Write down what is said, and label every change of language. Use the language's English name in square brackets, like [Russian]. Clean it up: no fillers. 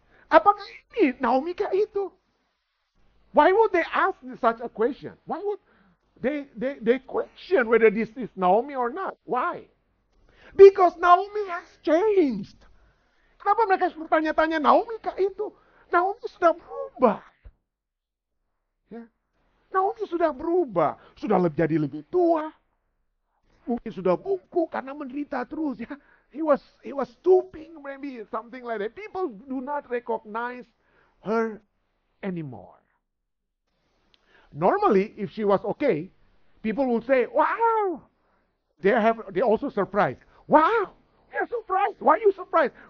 [Indonesian] Apakah ini Naomi kah itu? [English] Why would they ask such a question? Why would they question whether this is Naomi or not? Why? Because Naomi has changed. [Indonesian] Kenapa mereka bertanya-tanya Naomi kah itu? Naomi sudah berubah. Yeah. Naomi sudah berubah. Sudah jadi lebih tua. Mungkin sudah buku karena menderita terus. Ya. [English] He was stooping, maybe something like that. People do not recognize her anymore. Normally, if she was okay, people would say, "Wow!" They also surprised. Wow! You're surprised. Why are you surprised?